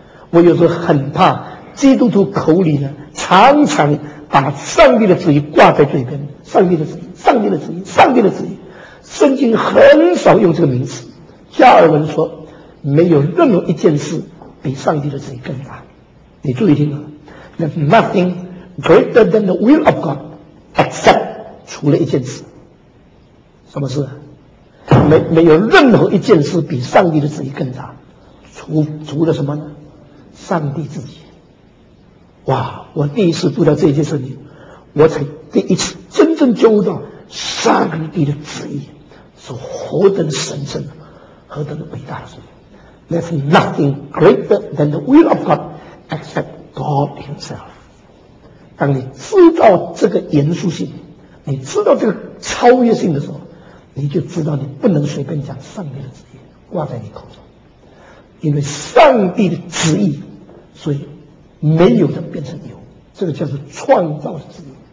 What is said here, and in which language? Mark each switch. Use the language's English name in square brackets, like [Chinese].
[Chinese] 我有时候很怕基督徒口里呢常常把上帝的旨意挂在嘴边，上帝的旨意，上帝的旨意，上帝的旨意。圣经很少用这个名词。加尔文说，没有任何一件事比上帝的旨意更大。你注意听啊， [English] nothing greater than the will of God except [Chinese] 除了一件事。什么事？没有任何一件事比上帝的旨意更大，除了什么呢？上帝自己。哇，我第一次读到这一节圣经，我才第一次真正觉悟到上帝的旨意是何等神圣，何等伟大的事。 [English] There's nothing greater than the will of God except God himself。 [Chinese] 当你知道这个严肃性，你知道这个超越性的时候，你就知道你不能随便讲上帝的旨意挂在你口中，因为上帝的旨意，所以没有的变成有，这个叫做创造旨意。